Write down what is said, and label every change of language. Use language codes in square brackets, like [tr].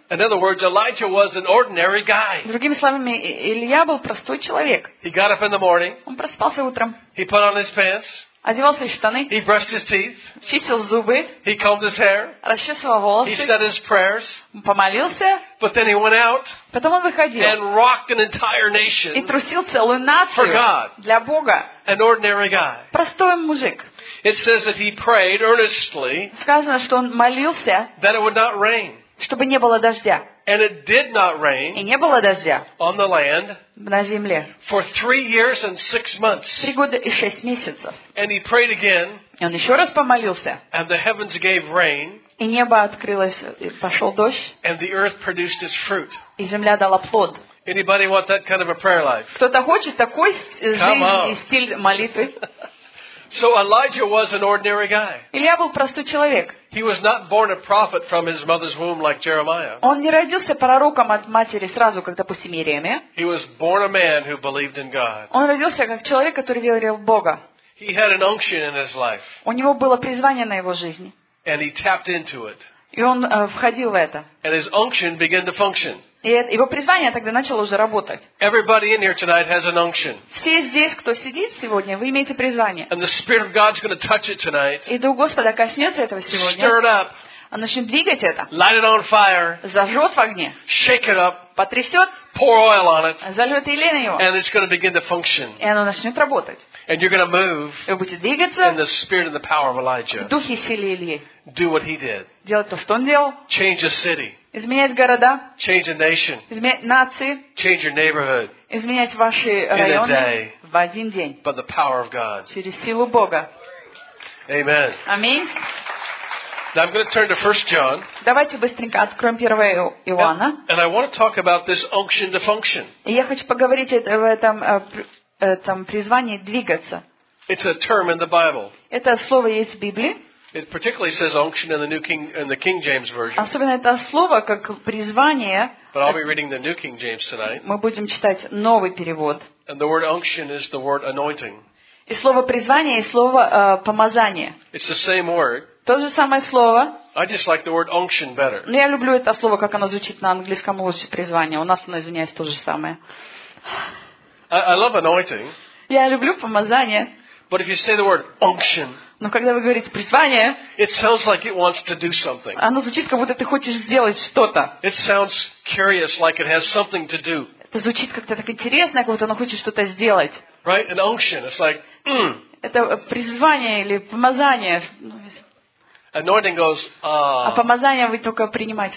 [en] In other words, Elijah was an ordinary guy. [ru] Другими словами, Илья был простой человек. [en] He got up in the morning. [ru] Он проспался утром. [en] He put on his pants. [ru] Одевал свои штаны. [en] He brushed his teeth. [ru] Чистил зубы. [en] He combed his hair. [ru] Расчесывал волосы. [en] He said his prayers. [ru] Помолился. [en] But then he went out. [ru] Потом он выходил. [en] And rocked an entire nation. [ru] И трусил целую нацию. [en] For God. [ru] Для Бога. [en] An ordinary guy. [ru] Простой мужик. [en] It says that he prayed earnestly. [ru] Сказано, что он молился. [en] That it would not rain. [ru] Чтобы не было дождя. [en] And it did not rain. [ru] И не было дождя. [en] On the land. [ru] На земле. [en] For 3 years and 6 months. [ru] 3 года и 6 месяцев. [en] And he prayed again. [ru] И он еще раз помолился. [en] And the heavens gave rain. [ru] И небо открылось, и пошел дождь. [en] And the earth produced its fruit. [ru] И земля дала плод. [en] Anybody want that kind of a prayer life? [ru] Кто-то хочет такой жизни и стиль молитвы? [en] So Elijah was an ordinary guy. [ru] Илия был простой человек. [en] He was not born a prophet from his mother's womb like Jeremiah. [ru] Он не родился пророком от матери сразу, как, допустим, Иеремия. [en] He was born a man who believed in God. [ru] Он родился как человек, который верил в Бога. [en] He had an unction in his life. [ru] У него было призвание на его жизни. [en] And he tapped into it. [ru] И он входил в это. [en] And his unction began to function. [ru] И его призвание тогда начало уже работать. [en] Everybody in here tonight has an unction. [ru] Все здесь, кто сидит сегодня, вы имеете призвание. [en] And the Spirit of God's going to touch it tonight. [ru] И Дух Господа коснется этого сегодня. [en] Stir it up. [ru] Он начнет двигать это. [en] Light it on fire. [ru] Зажжет в огне. [en] Shake it up. [ru] Потрясет. [en] Pour oil on it. [ru] Зальет елей на него. [en] And it's going to begin to function. [ru] И оно начнет работать. [en] And you're going to move. [ru] И вы будете двигаться. [en] In the Spirit and the power of Elijah. [ru] В духе силы Ильи. [en] Do what he did. [ru] Делать то, что он делал. [en] Change a city. [ru] Изменять города. [en] Change a nation. [ru] Изменять нации. [en] Change your neighborhood. [ru] Изменять ваши районы в один день. [en] By the power of God. [ru] Через силу Бога. [en] Amen. [ru] Аминь. [en] Now I'm going to turn to 1 John. [ru] Давайте быстренько откроем 1 Иоанна. [en] And I want to talk about this unction to function. [ru] И я хочу поговорить об этом призвании двигаться. [en] It's a term in the Bible. [ru] Это слово есть в Библии. [en] It particularly says unction in the New King in the King James version. [ru] Особенно это слово как призвание. [en] But I'll be reading the New King James tonight. [ru] Мы будем читать новый перевод. [en] And the word unction is the word anointing. [ru] И слово призвание и слово помазание. [en] It's the same word. [ru] То же самое слово. [en] I just like the word unction better. [ru] Но я люблю это слово, как оно звучит на английском лучше, призвание. У нас оно, извиняюсь, то же самое. [en] I love anointing. [ru] Я люблю помазание. [en] But if you say the word unction. [ru] Но когда вы говорите призвание, [en] it sounds like it wants to do something. [ru] Оно звучит, как будто ты хочешь сделать что-то. [en] It sounds curious, like it has something to do. [ru] Это звучит как-то так интересно, как будто оно хочет что-то сделать. [en] Right? An unction. It's like, mm. [ru] Это призвание или помазание. [en] Anointing goes, ah. [ru] А помазание вы только принимаете.